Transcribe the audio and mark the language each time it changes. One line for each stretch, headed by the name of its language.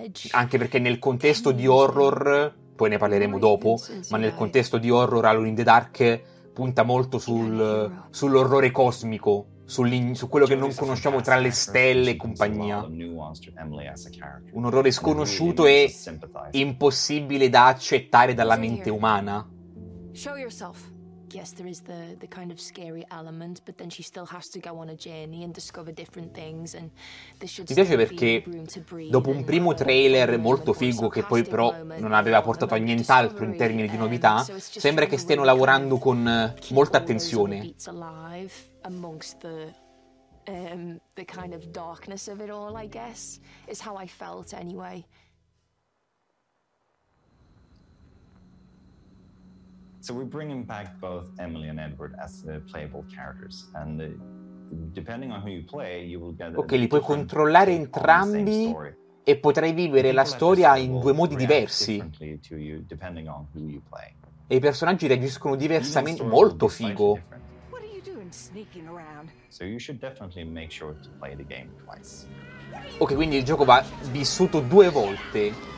Italian: Anche perché nel contesto di horror, poi ne parleremo dopo, ma nel contesto di horror Alone in the Dark punta molto sull'orrore cosmico, su quello che non conosciamo tra le stelle e compagnia. Un orrore sconosciuto e impossibile da accettare dalla mente umana.
English: Show yourself. Yes, there is the kind of scary element, but then she still has to go on a journey and discover different things. And
Italian: mi piace perché dopo un primo trailer molto figo che poi però non aveva portato a nient'altro in termini di novità, sembra che stiano lavorando con molta attenzione.
English: The kind of darkness of it all, I guess, is how I felt anyway. So we're bringing back both Emily and Edward as playable characters, and depending on who you play, you will get.
Italian: Ok, li puoi controllare entrambi e potrai vivere la storia in due modi diversi. E i personaggi reagiscono diversamente, molto figo.
English: What are you doing sneaking around? So you should definitely make sure to play the game twice.
Italian: Ok, quindi il gioco va vissuto due volte.